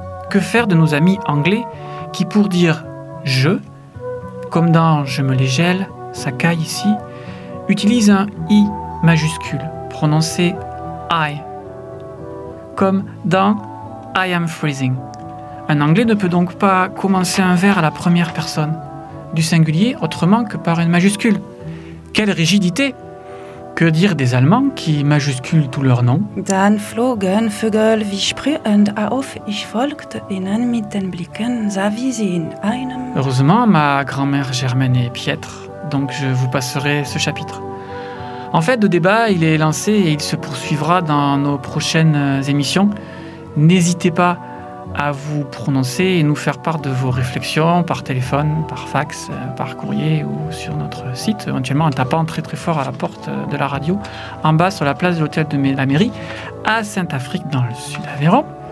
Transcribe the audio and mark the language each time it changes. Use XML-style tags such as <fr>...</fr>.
<fr>Que faire de nos amis anglais qui, pour dire « je », comme dans « je me les gèle », « ça caille ici », utilisent un « i » majuscule, prononcé « I », comme dans «</fr> <en>I am freezing ».</en> <fr>Un anglais ne peut donc pas commencer un vers à la première personne du singulier autrement que par une majuscule. Quelle rigidité! Que dire des Allemands qui majusculent tous leurs noms?</fr> <de>Dann flogen Vögel wie Spreu und auf ich folgte ihnen mit den Blicken, sah wie sie in einem.</de> <fr>Heureusement, ma grand-mère Germaine est piètre, donc je vous passerai ce chapitre. En fait, le débat, il est lancé et il se poursuivra dans nos prochaines émissions. N'hésitez pas à vous prononcer et nous faire part de vos réflexions par téléphone, par fax, par courrier ou sur notre site, éventuellement en tapant très très fort à la porte de la radio, en bas sur la place de l'hôtel de la mairie, à Sainte-Afrique, dans le sud d'Aveyron.</fr>